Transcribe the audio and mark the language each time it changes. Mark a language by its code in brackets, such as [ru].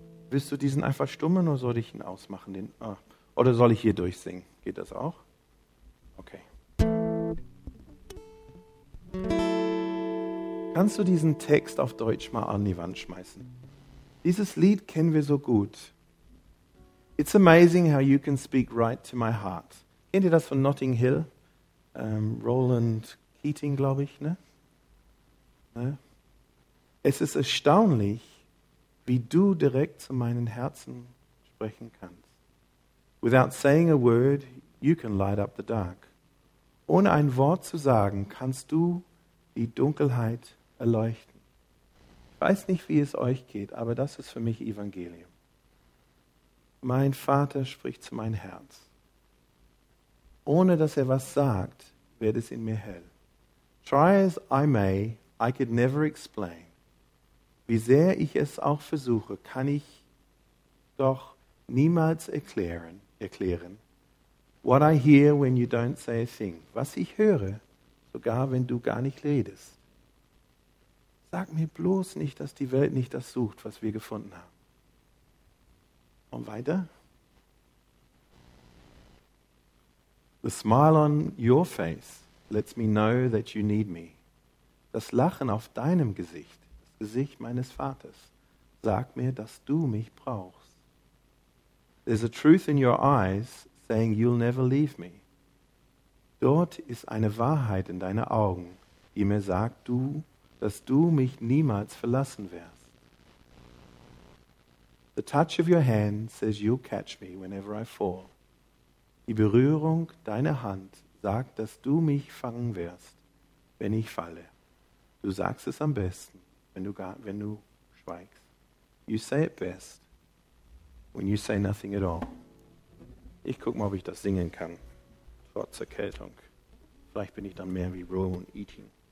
[de] Willst du diesen einfach stummen oder soll ich ihn ausmachen? Oder soll ich hier durchsingen? Geht das auch? Okay. Kannst du diesen Text auf Deutsch mal an die Wand schmeißen? Dieses Lied kennen wir so gut. [en] It's amazing how you can speak right to my heart. [de] Kennt ihr das von Notting Hill? Roland Keating, glaube ich. Ne? Es ist erstaunlich, wie du direkt zu meinem Herzen sprechen kannst. [en] Without saying a word, you can light up the dark. [de] Ohne ein Wort zu sagen, kannst du die Dunkelheit erleuchten. Ich weiß nicht, wie es euch geht, aber das ist für mich Evangelium. Mein Vater spricht zu meinem Herz. ohne dass er was sagt, wird es in mir hell. [en] Try as I may, I could never explain. [de] Wie sehr ich es auch versuche, kann ich doch niemals erklären, [en] what I hear when you don't say a thing. [de] Was ich höre, sogar wenn du gar nicht redest. Sag mir bloß nicht, dass die Welt nicht das sucht, was wir gefunden haben. Und weiter. [en] The smile on your face lets me know that you need me. [de] Das Lachen auf deinem Gesicht, das Gesicht meines Vaters, sagt mir, dass du mich brauchst. [en] There's a truth in your eyes saying you'll never leave me. [de] Dort ist eine Wahrheit in deinen Augen, die mir sagt, dass du mich niemals verlassen wirst. [en] The touch of your hand says you'll catch me whenever I fall. [de] Die Berührung deiner Hand sagt, dass du mich fangen wirst, wenn ich falle. Du sagst es am besten, wenn du schweigst. [en] You say it best when you say nothing at all. [de] Ich guck mal, ob ich das singen kann, trotz Erkältung. Vielleicht bin ich dann mehr wie Rowan Eating.